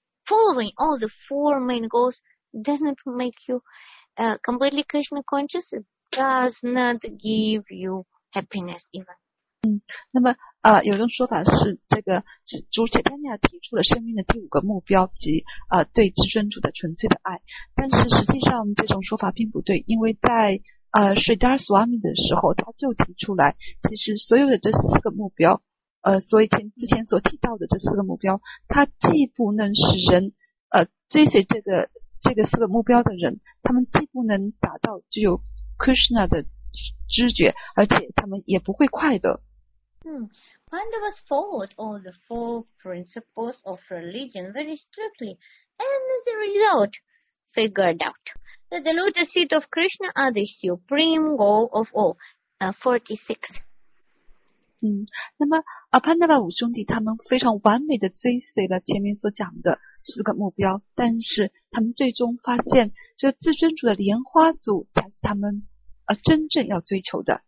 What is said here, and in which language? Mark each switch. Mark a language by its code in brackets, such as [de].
[en] All the four main goals doesn't make you completely Krishna conscious. It does not give you happiness even. [zh] 那么有种说法是这个主切丹尼亚提出了生命的第五个目标即对至尊主的纯粹的爱，但是实际上这种说法并不对，因为在Śrīdharaswami的时候他就提出来，其实所有的这四个目标所以之前所提到的这四个目标，它既不能使人追随这个四个目标的人，他们既不能达到具有 Krishna 的知觉，而且他们也不会快乐。 [en] Pandavas followed all the four principles of religion very strictly, and as a result, figured out that the lotus feet of Krishna are the supreme goal of all. 46. [zh] 那么Pandava 五兄弟他们非常完美的追随了前面所讲的四个目标，但是他们最终发现，这自尊主的莲花组才是他们真正要追求的。